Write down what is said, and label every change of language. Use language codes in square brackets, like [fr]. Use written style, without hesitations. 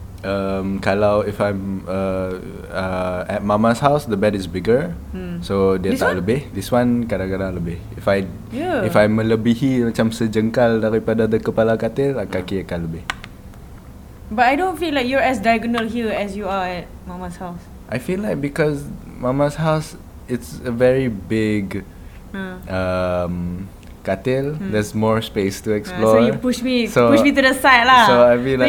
[ms] Kalau [en] if I'm at Mama's house, the bed is bigger, so [ms] dia [en] this [ms] tak [en] one? [ms] Lebih. [en] This one [ms] kadang-kadang lebih. [en] If I if [ms] I melebihi macam sejengkal daripada [en] the [ms] kepala katil, kaki akan lebih. [en] But I don't feel like you're as diagonal here as you are at Mama's house. I feel like because Mama's house, it's a very big katil. There's more space to explore. So you push me to the side lah. So I feel like